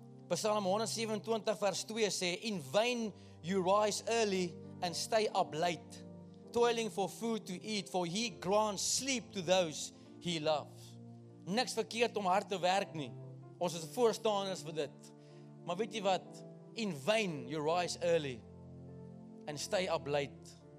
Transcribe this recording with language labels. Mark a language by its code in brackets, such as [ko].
[en] Psalm 127 [af] vers 2 sê, [en] In vain you rise early and stay up late, toiling for food to eat, for he grants sleep to those he loves. [af] Niks verkeerd om hard te werk nie. Ons is voorstanders vir dit. Maar weet jy wat? [en] In vain you rise early and stay up late.